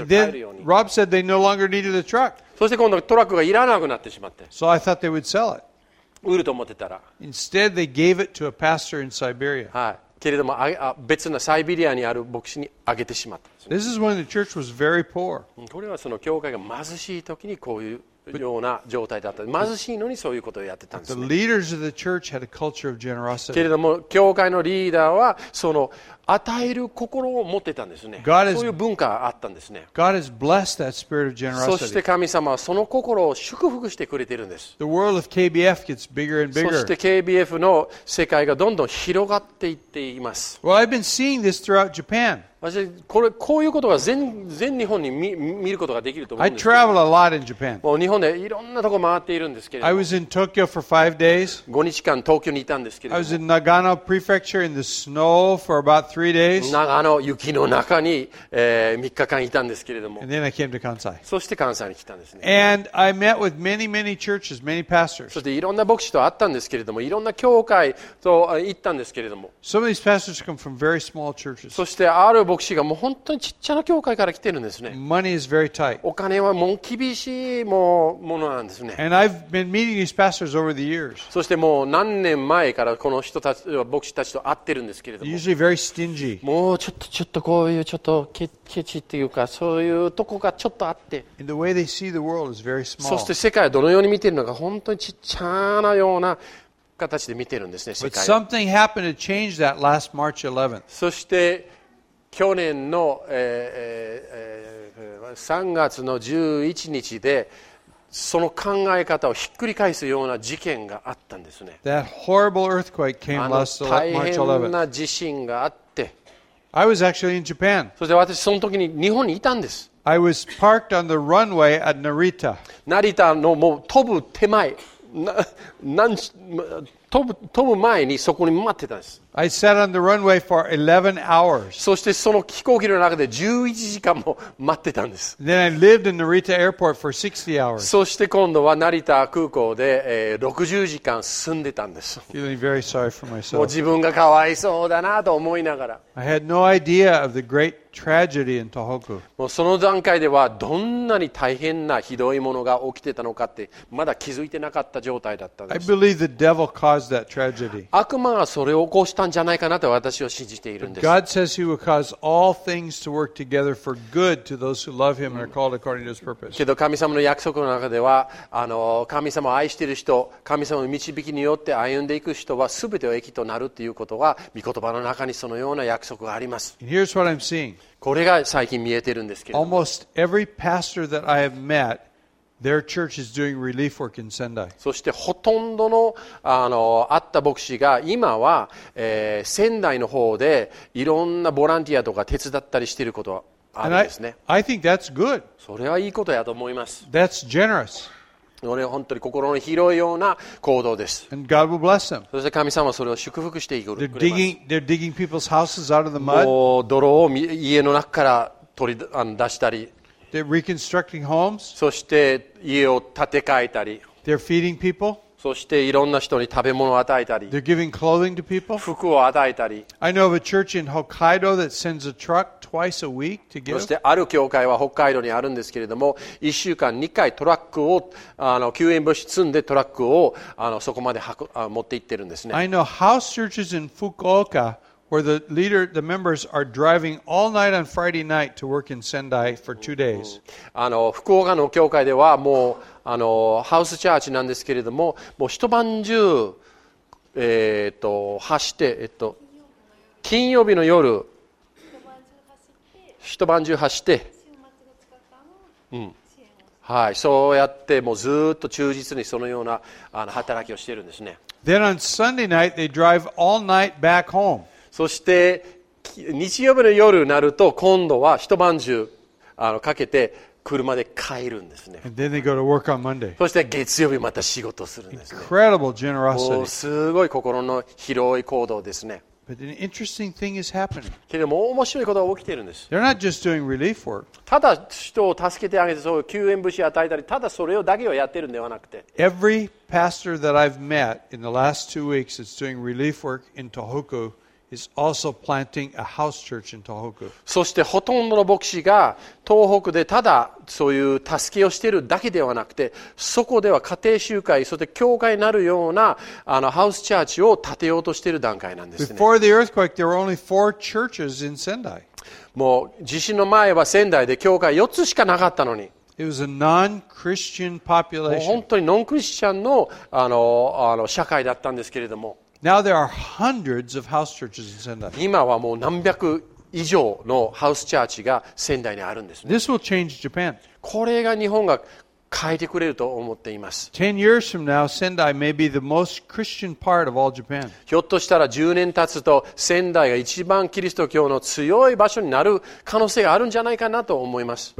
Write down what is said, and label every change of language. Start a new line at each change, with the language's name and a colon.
English: And then Rob said they no longer needed a truck.
Japanese: そして今度トラックがいらなくなってしまって。
English: So I thought they would sell it.
Japanese: 売ると思ってたら。
English: Instead, they gave it to a pastor in Siberia.
Japanese: はい。けれども、別のサイベリアにある牧師にあげてしまった。
English: This is when the church was very poor.
Japanese: これはその教会が貧しい時にこういうような状態だった。貧しいのにそういうことをやってたんですね。
English: The leaders of the church had a culture of generosity.
Japanese: けれども、教会のリーダーはその与える心を持ってたんですね。
English: God
Japanese: そういう文化があったんですね。
English: God has blessed that spirit of generosity.
Japanese: そして神様はその心を祝福してくれているんです。
English: The world of KBF gets bigger and bigger.
Japanese: そして KBF の世界がどんどん広がっていっています。
English: Well, I've been seeing this throughout Japan.
Japanese: 私これこういうことが 全日本に 見ることができると思うんですけど。
English: I travel a lot in Japan.
Japanese: もう日本でいろんなとこ回っているんですけれども。
English: I was in Tokyo for 5 days.
Japanese: 5日間東京にいたんですけれども。
English: I was in Nagano Prefecture in the snow for about3 days.
Japanese: 長野雪の中に、3日間いたんですけれども。
English: And then I came to Kansai.
Japanese: そして関西に来たんですね。
English: And I met with many, many churches, many pastors.
Japanese: そしていろんな牧師と会ったんですけれども、いろんな教会と行ったんですけれども。
English: Some of these pastors come from very small churches.
Japanese: そしてある牧師がもう本当にちっちゃな教会から来てるんですね。
English: Money is very tight.
Japanese: お金はもう厳しいものなんですね。
English: And I've been meeting these pastors over the years.
Japanese: そしてもう何年前からこの人たち、牧師たちと会ってるんですけれども。
English: Usually very
Japanese: もうちょっとこういうちょっとケチっていうかそういうとこがちょっとあって、そして世界はどのように見てるのか本当にちっちゃなような形で見てるんですね世界。
English: But something happened to change that last March 11th.
Japanese: そして去年の、3月の11日で。その考え方をひっくり返すような事件があったんですね。
English: That horrible earthquake came last March 11th.
Japanese: あの大変な地震があって。
English: I was actually in Japan.
Japanese: そして私その時に日本にいたんです。
English: I was parked on the runway at Narita.
Japanese: 成田のもう飛ぶ手前、飛ぶ前にそこに待ってたんです。
English: I sat on the runway for 11 hours.
Japanese: そしてその飛行機の中で11時間も待ってたんです。
English: Then I lived in Narita Airport for 60 hours.
Japanese: そして今度は成田空港で60時間住んでたんです。
English: Feeling very sorry for myself.
Japanese: もう自分がかわいそうだなと思いながら。
English: I had no idea of the great tragedy in Tohoku.
Japanese: もうその段階ではどんなに大変なひどいものが起きてたのかってまだ気づいてなかった状態だったんです。
English: I believe the devil caused caused that tragedy.
Japanese: 悪魔がそれを起こしたんじゃないかなと私は信じているんです。
English: God says he will cause all things to work together for good to those who love him and are called according to his purpose.
Japanese: けど神様の約束の中では、神様を愛している人、神様の導きによって歩んでいく人は全ては益となるということは、御言葉の中にそのような約束があります。
English: And here's what I'm seeing.
Japanese: これが最近見えているんですけど。
English: Almost every pastor that I have met,Their church is doing relief work in Sendai.
Japanese: そしてほとんど の, あった牧師が今は、仙台の方でいろんなボランティアとか手伝ったりしていることはあるんですね。
English: I think that's good.
Japanese: それはいいことやと思います。
English: That's generous.
Japanese: それは本当に心の広いような行動です。
English: And God will bless them.
Japanese: そして神様はそれを祝福していくれます。
English: They're digging people's houses out of the mud.
Japanese: もう泥を家の中から取り出したり。
English: They're reconstructing homes.
Japanese: そして家を建て替えたり。
English: They're feeding people.
Japanese: そしていろんな人に食べ物を与えたり。
English: They're giving clothing to people.
Japanese: 服を与えたり。
English: I know of a church in Hokkaido that sends a truck twice a week to give.
Japanese: そしてある教会は北海道にあるんですけれども、1週間2回トラックを救援物資積んでトラックをそこまで持って行ってるんですね。
English: I know house churches in Fukuoka. Where the leader, the members are driving all night on Friday night to work in Sendai for 2 days.
Japanese: 福岡の教会ではもうハウスチャーチなんですけれども、もう一晩中走って金曜日の夜一晩中走って、はい、そうやってもうずっと忠実にそのような働きをしているんですね。
English: Then on Sunday night they drive all night back home.
Japanese: そして日曜日の夜になると今度は一晩中かけて車で帰るんですね。
English: And then they go to work on Monday.
Japanese: そして月曜日また仕事するんですね。
English: Incredible generosity.
Japanese: もうすごい心の広い行動ですね。
English: But an interesting thing is happening.
Japanese: けれども面白いことが起きているんです。
English: They're not just doing relief work.
Japanese: ただ人を助けてあげて、そう救援物資を与えたり、ただそれをだけをやっているのではなくて。
English: Every pastor that I've met in the last 2 weeks is doing relief work in Tohoku. Is also planting a house church in Tohoku.
Japanese: そしてほとんどの牧師が東北でただそういう助けをしているだけではなくて、そこでは家庭集会、そして教会になるようなハウスチャーチを建てようとしている段階なんですね。
English: Before the earthquake, there were only 4 churches in Sendai.
Japanese: もう地震の前は仙台で教会4つしかなかったのに。
English: It was a non-Christian population.
Japanese: もう本当にノンクリスチャンの社会だったんですけれども。
English: Now there are hundreds of house churches in Sendai.
Japanese: 今はもう何百以上のハウスチャーチが仙台にあるんですね。
English: This will change Japan.
Japanese: これが日本が変えてくれると思っています。
English: 10 years from now, Sendai may be the most Christian part of all Japan.
Japanese: ひょっとしたら10年経つと仙台が一番キリスト教の強い場所になる可能性があるんじゃないかなと思います。